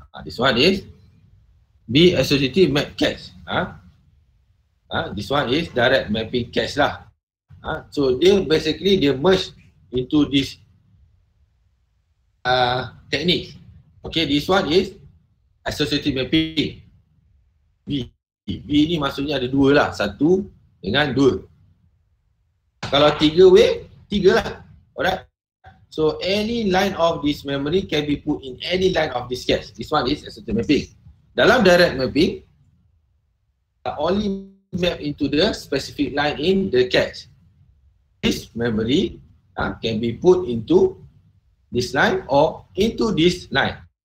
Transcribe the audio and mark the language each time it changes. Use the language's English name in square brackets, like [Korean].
[English] This one is B associative map cache. This one is direct mapping cache lah. So they basically they merge into this technique. Okay, this one is associative mapping. [Malay] B ni maksudnya ada dua lah, satu dengan dua. Kalau tiga way, tiga lah. [English] Alright. So any line of this memory can be put in any line of this cache. This one is associative mapping. [Malay] Dalam [English] direct mapping, only map into the specific line in the cache. This memory can be put into this line or into this line.